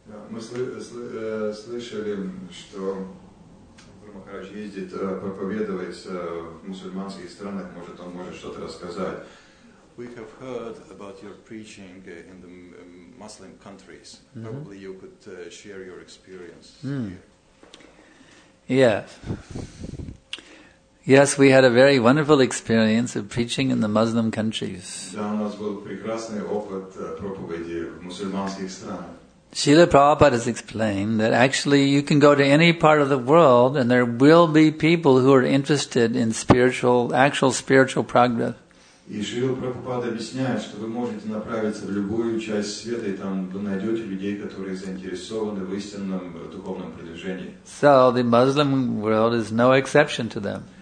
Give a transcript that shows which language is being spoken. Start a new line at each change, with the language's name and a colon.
Russian: Мы слышали, что Гуру Махарадж ездит проповедовать в мусульманских странах. Может, он может что-то рассказать?
English: We have heard about your preaching in the Muslim countries. Mm-hmm. Probably you could share your experience here. Yeah. Yes, we had a very wonderful experience of preaching in the Muslim countries.
Russian: Да, у нас был прекрасный опыт проповеди в мусульманских странах.
English: Srila Prabhupada has explained that actually you can go to any part of the world and there will be people who are interested in actual spiritual progress.
Russian: И Srila Prabhupada объясняет, что вы можете направиться в любую часть света и там вы найдете людей, которые заинтересованы в истинном духовном продвижении.
English: So the Muslim world is no exception to them.